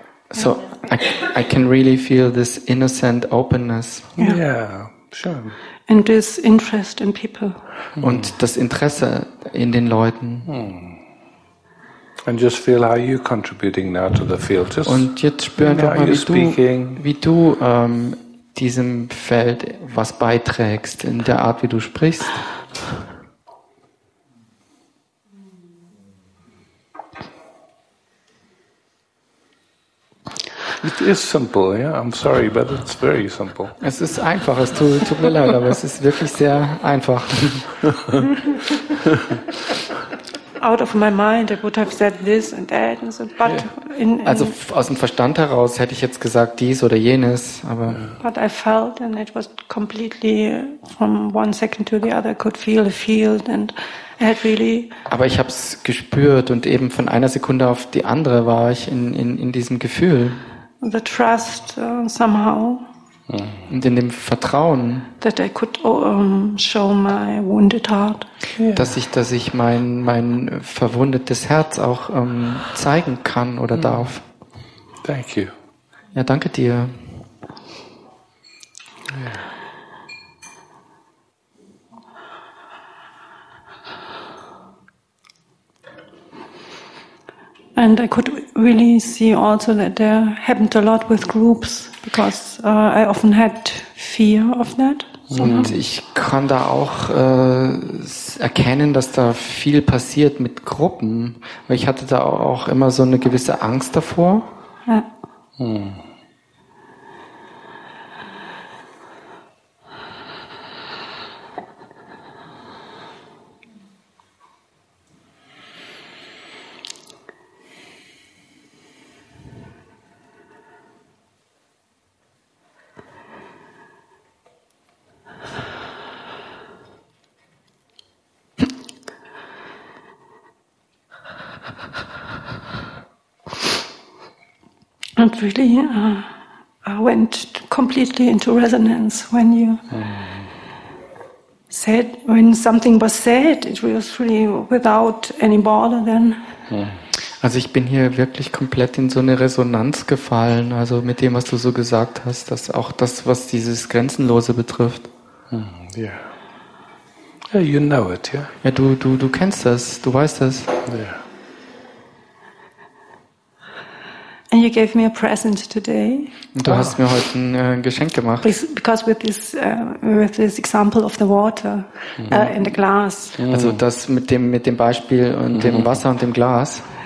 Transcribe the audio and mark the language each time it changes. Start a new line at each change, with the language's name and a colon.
English: So I can really feel this innocent openness. Yeah, sure. And this interest in people.
German: Und das Interesse in den Leuten.
English: And just feel how you're contributing now to the field. Just
German: und jetzt spür einfach mal, wie du diesem Feld was beiträgst, in der Art, wie du sprichst.
English: It is simple, yeah. I'm sorry, but it's very simple.
German: Es ist einfach, es tut mir leid, aber es ist wirklich sehr einfach.
English: Out of my mind, I would have said this and that and so, but
German: also aus dem Verstand heraus hätte ich jetzt gesagt dies oder jenes, aber.
English: But I felt and it was completely from one second to the other. I could feel the field and I had really.
German: Aber ich habe es gespürt und eben von einer Sekunde auf die andere war ich in diesem Gefühl.
English: The trust somehow.
German: Und in dem Vertrauen,
English: that I could show my wounded heart.
German: Dass ich mein verwundetes Herz auch zeigen kann oder darf.
English: Thank you.
German: Ja, danke dir.
English: Yeah. And I could really see also that there happened a lot with groups. Because I often had fear of that.
German: Und ich kann da auch erkennen, dass da viel passiert mit Gruppen. Ich hatte da auch immer so eine gewisse Angst davor. Ja.
English: And really, I went completely into resonance when you said when something was said. It was really without any border then.
German: Also ich bin hier wirklich komplett in so eine Resonanz gefallen. Also mit dem, was du so gesagt hast, dass auch das, was dieses Grenzenlose betrifft.
English: Yeah. You know it, yeah.
German: Ja, du kennst das. Du weißt das.
English: Yeah. And you gave me a present today.
German: Du hast mir heute ein Geschenk gemacht.
English: Because with this example of the water and the glass.
German: Also das mit dem Beispiel und dem Wasser und dem Glas.